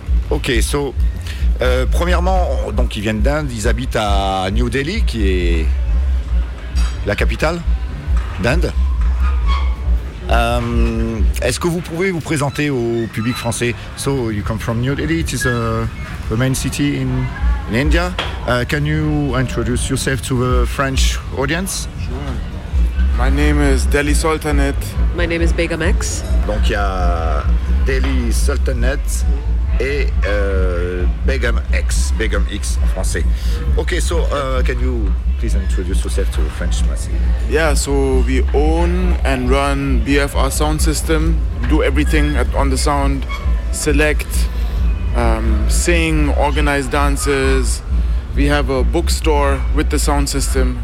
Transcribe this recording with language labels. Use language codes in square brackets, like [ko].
[fr] Ok, so premièrement, donc ils viennent d'Inde, ils habitent à New Delhi, qui est la capitale d'Inde. Est-ce que vous pouvez vous présenter au public français? [en] So you come from New Delhi, it is the main city in India. Can you introduce yourself to the French audience? Sure. My name is Delhi Sultanate. My name is Begum X. [fr] Donc il y a Delhi Sultanate et Begum X en français. [en] Okay, so can you please introduce yourself to French Massey? Yeah, so we own and run BFR Sound System, do everything on the sound, select, sing, organize dances. We have a bookstore with the sound system.